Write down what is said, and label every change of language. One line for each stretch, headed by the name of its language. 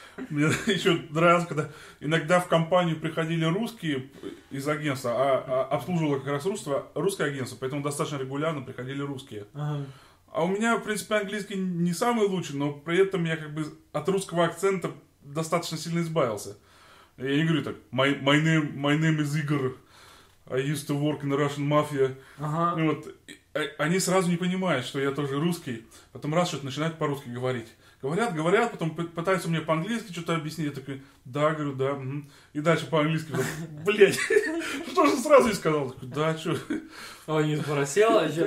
Russian: Мне еще нравится, когда иногда в компанию приходили русские из агентства, а обслуживало как раз русское агентство, поэтому достаточно регулярно приходили русские. Ага. А у меня, в принципе, английский не самый лучший, но при этом я как бы от русского акцента достаточно сильно избавился. Я не говорю так,
English: my name is Igor, I used to work in Russian mafia.
Russian: Ага. Вот. Они сразу не понимают, что я тоже русский, потом раз что-то начинают по-русски говорить. Говорят, потом пытаются мне по-английски что-то объяснить. Я такой, да, говорю, да. Угу. И дальше по-английски. Блять, что же сразу не сказал? Такой, да, что? Он не спросил, а что-то?